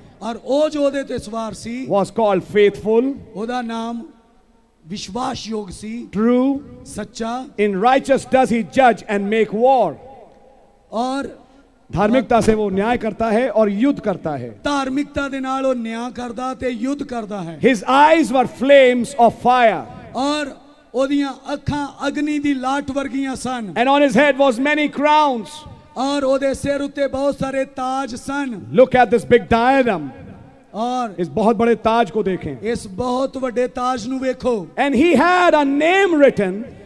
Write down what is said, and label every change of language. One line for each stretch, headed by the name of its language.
Punjabi: और ओ जो ओदे ते सवार सी,
English: was called faithful,
Punjabi: ओदा नाम विश्वास योग सी,
English: true
Hindi: सच्चा,
English: in righteous does he जज and make war,
Hindi: और धार्मिकता से वो न्याय करता है और युद्ध करता है,
Punjabi: धार्मिकता दे नाल वो न्याय करदा ते युद्ध करदा है,
English: his eyes were flames of fire,
Punjabi: और ओदियां अखां अग्नि दी लाट वर्गियां सन,
English: and on his head was many crowns,
Punjabi: और ओदे सिर उत्ते बहुत सारे ताज सन।
English: look at this big diagram,
Hindi: और इस बहुत बड़े ताज को देखें,
Punjabi: इस बहुत बड़े ताज नु वेखो,
English: and he had a name written,